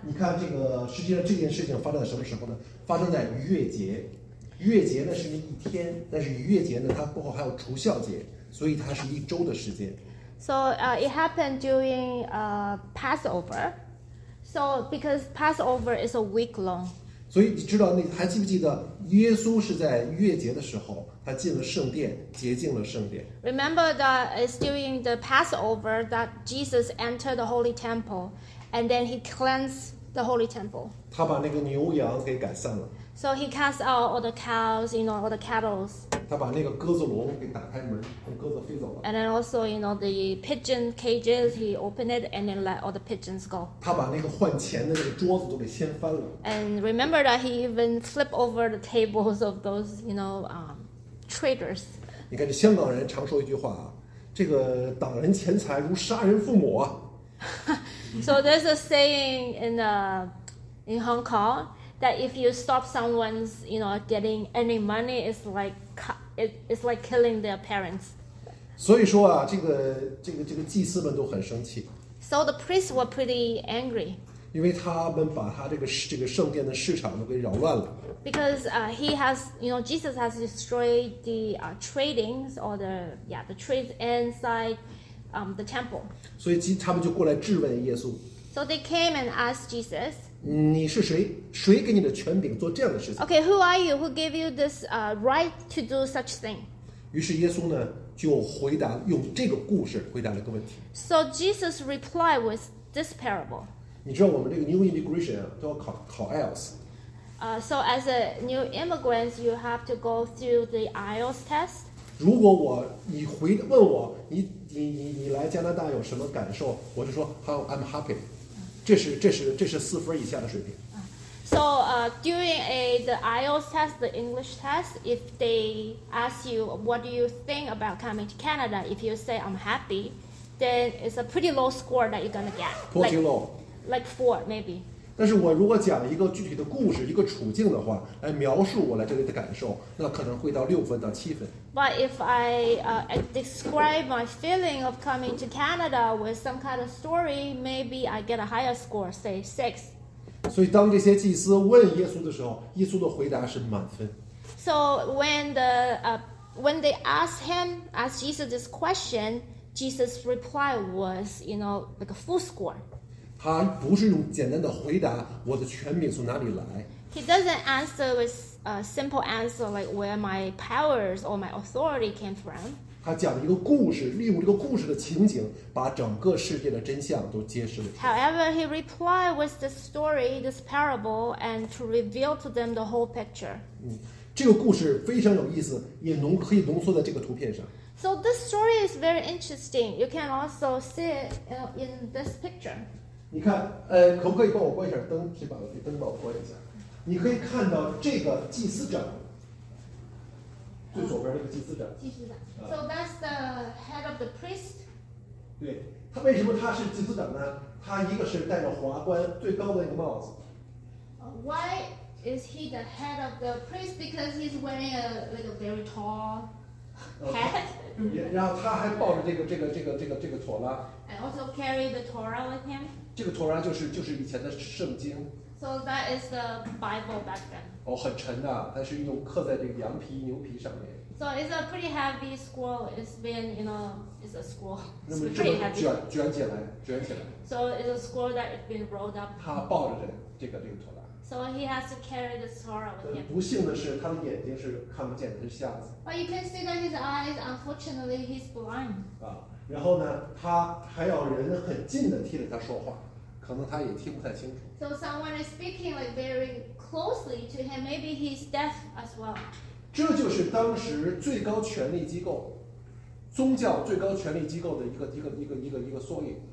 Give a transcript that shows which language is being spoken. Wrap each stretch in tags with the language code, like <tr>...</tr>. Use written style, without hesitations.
<zh>你看这个，实际上这件事情发生在什么时候呢？发生在逾越节。逾越节呢是那一天，但是逾越节呢，它过后还有除酵节，所以它是一周的时间。</zh> <en>So, it happened during Passover. So, because Passover is a week long.</en> <zh>所以你知道那还记不记得耶稣是在逾越节的时候，他进了圣殿，洁净了圣殿。</zh> <en>Remember that it's during the Passover that Jesus entered the Holy Temple, and then he cleansed the Holy Temple.</en> <zh>他把那个牛羊给赶散了。</zh> <en>So he cast out all the cows, you know, all the cattle.</en> <zh>他把那个鸽子笼给打开门，让鸽子飞走了。</zh> <en>And then also, you know, the pigeon cages, he opened it and then let all the pigeons go.</en> <zh>他把那个换钱的那个桌子都给掀翻了。</zh> <en>And remember that he even flipped over the tables of those, you know, traders.</en> <zh>你看这香港人常说一句话啊，这个挡人钱财如杀人父母啊。</zh> <en>So there's a saying in Hong Kong. That if you stop someone's, you know, getting any money, it's like killing their parents.</en> <zh>所以说啊，这个祭司们都很生气。</zh> <en>So the priests were pretty angry.</en> <zh>因为他们把他这个圣殿的市场都给扰乱了。</zh> <en>Because he has, you know, Jesus has destroyed the tradings or the trades inside the temple.</en> <zh>所以他们就过来质问耶稣。</zh> <en>So they came and asked Jesus.</en> <zh>你是谁？谁给你的权柄做这样的事情</zh> <en>？Okay, who are you? Who gave you this right to do such thing?</en> <zh>于是耶稣呢就回答，用这个故事回答了个问题。</zh> <en>So Jesus replied with this parable.</en> <zh>你知道我们这个</zh> <en>new immigration</en> <zh>都要考 IELTS.</zh> <en>So as a new immigrant, you have to go through the IELTS test.</en> <zh>如果我你回问我你来加拿大有什么感受，我就说</zh> <en>How I'm happy.</en> <zh>这是四分以下的水平。</zh> <en>So during the IELTS test, the English test, if they ask you what do you think about coming to Canada, if you say I'm happy, then it's a pretty low score that you're going to get. Pretty low. Like 4, maybe.</en> <zh>但是我如果讲一个具体的故事，一个处境的话，来描述我来这里的感受，那可能会到6分到7分。</zh> <en>But if I describe my feeling of coming to Canada with some kind of story, maybe I get a higher score, say 6.</en> <zh>所以当这些祭司问耶稣的时候，耶稣的回答是满分。</zh> <en>So when they asked Jesus this question, Jesus' reply was, you know, like a full score.</en> <zh>他不是用简单的回答我的权柄从哪里来。</zh> <en>He doesn't answer with a simple answer like where my powers or my authority came from.</en> <zh>他讲了一个故事，利用这个故事的情景，把整个世界的真相都揭示了。</zh> <en>However, he replied with this story, this parable, and to reveal to them the whole picture.</en> <zh>这个故事非常有意思，也可以浓缩在这个图片上。</zh> <en>So this story is very interesting. You can also see it in this picture.</en> <zh>你看，可不可以帮我关一下灯？谁把灯帮我关一下？你可以看到这个祭司长，最左边那个祭司长。祭司长。</zh> <en>So that's the head of the priest.</en> <zh>对，他为什么他是祭司长呢？他一个是戴着华冠最高的那个帽子。</zh> <en>Why is he the head of the priest? Because he's wearing a like a very tall hat.</en> <zh>然后他还抱着这个陀拉。</zh> <en>And also carry the Torah with him.</en> <zh>这个托拉就是以前的圣经。</zh> <en>So that is the Bible back then.</en> <zh>哦，很沉的，但是又刻在这个羊皮、牛皮上面。</zh> <en>So it's a pretty heavy scroll. It's been, you know, it's a scroll. It's</en> <zh>那么这个卷起来。</zh> <en>So it's a scroll that has been rolled up.</en> <zh>他抱着这个托拉。</zh> <en>So he has to carry the Torah with him.</en> <zh>不幸的是，他的眼睛是看不见的，是瞎子。</zh> <en>But you can see that his eyes, unfortunately, he's blind.</en> <zh>然后呢，他还要人很近的替着他说话，可能他也听不太清楚。</zh> <en>So someone is speaking like very closely to him. Maybe he's deaf as well.</en> <zh>这就是当时最高权力机构，宗教最高权力机构的一个缩影。</zh>